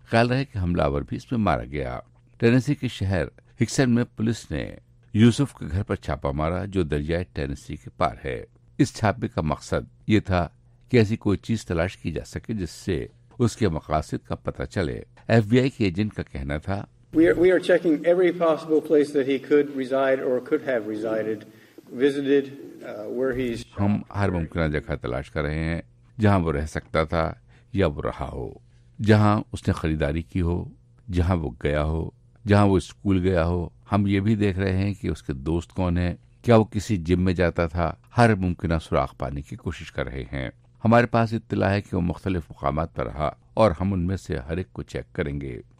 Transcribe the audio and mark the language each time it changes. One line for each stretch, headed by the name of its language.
Urdu: خیال رہے کہ حملہ آور بھی اس میں مارا گیا. ٹینیسی کے شہر ہکسن میں پولیس نے یوسف کے گھر پر چھاپہ مارا جو دریائے ٹینیسی کے پار ہے. اس چھاپے کا مقصد یہ تھا کہ ایسی کوئی چیز تلاش کی جا سکے جس سے اس کے مقاصد کا پتہ چلے. ایف بی آئی کے ایجنٹ کا کہنا تھا
English: We are checking every possible place that he could reside or could have resided, visited, where he's...
Urdu: ہم ہر ممکنہ جگہ تلاش کر رہے ہیں جہاں وہ رہ سکتا تھا یا وہ رہا ہو, جہاں اس نے خریداری کی ہو, جہاں وہ گیا ہو, جہاں وہ اسکول گیا ہو. ہم یہ بھی دیکھ رہے ہیں کہ اس کے دوست کون ہیں, کیا وہ کسی جم میں جاتا تھا. ہر ممکنہ سراغ پانے کی کوشش کر رہے ہیں. ہمارے پاس اطلاع ہے کہ وہ مختلف مقامات پر رہا اور ہم ان میں سے ہر ایک کو چیک کریں گے.